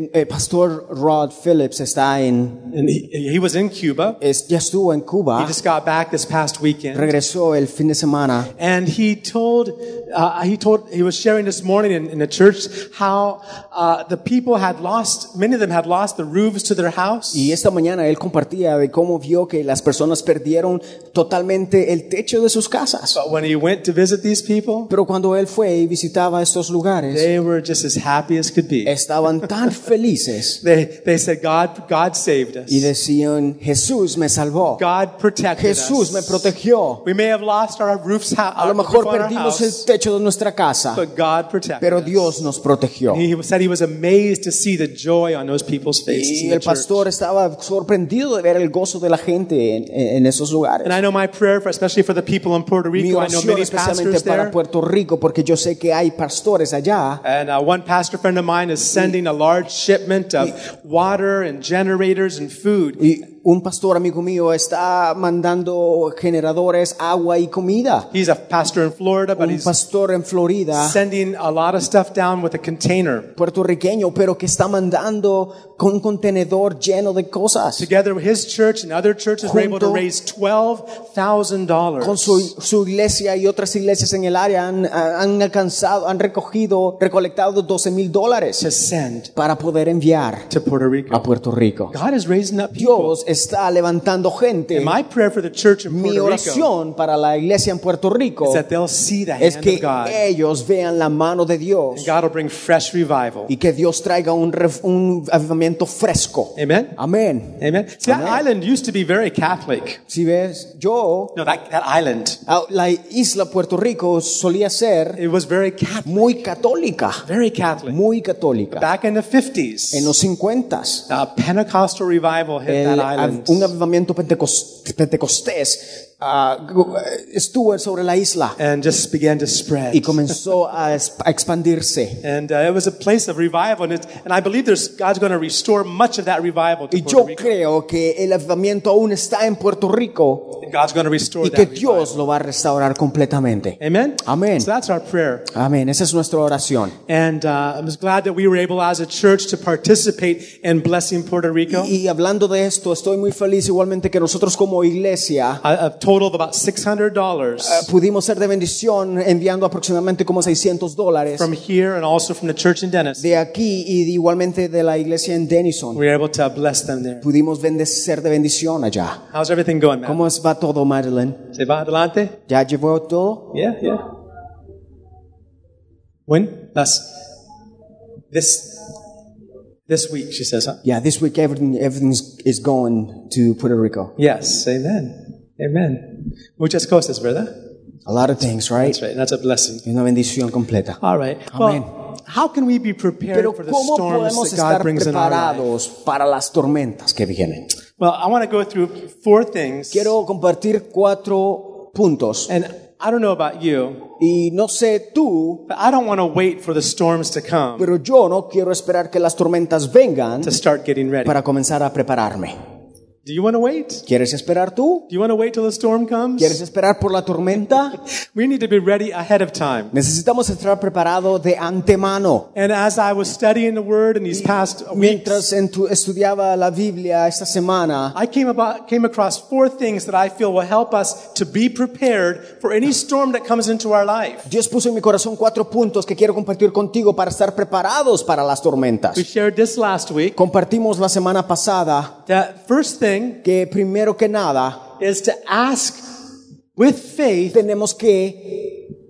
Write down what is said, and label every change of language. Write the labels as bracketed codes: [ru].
[es] Pastor Rod Phillips está en. [en] And he was in Cuba. [es] Ya estuvo en Cuba. [en] He just got back this past weekend. [es] Regresó el fin de semana. [en] And he was sharing this morning in the church how the people had lost, many of them had lost the roofs to their house. [es] Y esta mañana mañana él compartía de cómo vio que las personas perdieron totalmente el techo de sus casas. [en] But when he went to visit these people, [es] pero cuando él fue y visitaba estos lugares, [en] they were just as happy as could be. [es] Estaban tan felices. [en] They said, God saved us. [es] Y decían, Jesús me salvó. [en] God protected [es] Jesús [en] us. [es] Me protegió. [en] We may have lost our roofs, our [es] a lo mejor perdimos el techo de nuestra casa, [en] but God protected [es] pero Dios nos protegió. [en] He said he was amazed to see the joy on those people's faces. [es] Y el pastor estaba sorprendido de ver el gozo de la gente en esos lugares. [en] And I know my prayer for, especially for the people in Puerto Rico. [es] Mi oración [en] I know many [es] especialmente [en] pastors [es] para Puerto Rico porque yo sé que hay pastores allá. [en] And one pastor friend of mine is sending a large shipment of water and generators and food. [es] Y un pastor amigo mío está mandando generadores, agua y comida. [en] He's a pastor in Florida, but [es] un pastor en Florida, [en] sending a lot of stuff down with a container. [es] Puertorriqueño, pero que está mandando con un contenedor lleno de cosas. [en] Together with his church and other churches were able to raise $12,000. [es] Con su iglesia y otras iglesias en el área han recolectado $12,000 [en] to send [es] para poder enviar [en] to Puerto Rico. [es] A Puerto Rico. [en] God is raising up [es] Dios está levantando gente. [en] And my prayer for the church in [es] mi oración [en] Rico [es] para la iglesia en Puerto Rico [en] is that they'll see the [es] es [en] hand [es] que [en] of God. [es] Ellos vean la mano de Dios [en] and God will bring fresh revival. [es] Y que Dios traiga un avivamiento fresco. Amen. Amen. Amen. [en] See, that island used to be very Catholic. [es] Si ves, yo, [en] no, that island. [es] La isla Puerto Rico solía ser [en] it was very Catholic. [es] Muy católica. [en] Very Catholic. [es] Muy católica. [en] Back in the 50s. [es] En los 50s. [en] A Pentecostal revival hit that island. [es] Un avivamiento pentecostés estuvo sobre la isla [en] and just began to spread. [es] Y comenzó a expandirse. [en] And it was a place of revival, and I believe there's God's going to restore much of that revival to [es] y yo creo que el avivamiento aún está en Puerto Rico. [en] God's going to restore [es] y que [en] that [es] Dios [en] revival. [es] Lo va a restaurar completamente. Amen. Amen. [en] So that's our prayer. [es] Amen. Esa es nuestra oración. [en] And I was glad that we were able as a church to participate in blessing Puerto Rico. [es] Y hablando de esto, estoy muy feliz igualmente que nosotros como iglesia [en] total of about $600. [es] Pudimos ser de bendición enviando aproximadamente como $600. [en] From here and also from the church in Denison. [es] De aquí y igualmente de la iglesia en Denison. [en] We were able to bless them there. [es] Pudimos bendecir de bendición allá. [en] How's everything going, Matt? [es] ¿Cómo va todo, Madeline? ¿Se va adelante? ¿Ya llevó todo? [en] Yeah, yeah. When? This week, she says. Huh? Yeah, this week everything is going to Puerto Rico. [es] Yes, amen. Amen. Muchas cosas, ¿verdad? [en] A lot of things, right? That's right. That's a blessing. [es] Una bendición completa. [en] All right. Amen. Well, how can we be prepared [es] pero [en] for the storms that God brings in our lives? [es] Para las tormentas que vienen? [en] Well, I want to go through four things. [es] Quiero compartir cuatro puntos. [en] And I don't know about you. [es] Y no sé tú, [en] but I don't want to wait for the storms to come. [es] Pero yo no quiero esperar que las tormentas vengan [en] to start getting ready. [es] Para comenzar a prepararme. [en] Do you want to wait? [es] ¿Quieres esperar tú? [en] Do you want to wait till the storm comes? [es] ¿Quieres esperar por la tormenta? [en] We need to be ready ahead of time. [es] Necesitamos estar preparado de antemano. [en] And as I was studying the word in these past [es] mientras [en] weeks, [es] estudiaba la Biblia esta semana, [en] I came across four things that I feel will help us to be prepared for any storm that comes into our life. [es] Dios puso en mi corazón cuatro puntos que quiero compartir contigo para estar preparados para las tormentas. [en] We shared this last week. [es] Compartimos la semana pasada. [en] That first thing [es] que primero que nada [en] is to ask with faith [es] tenemos que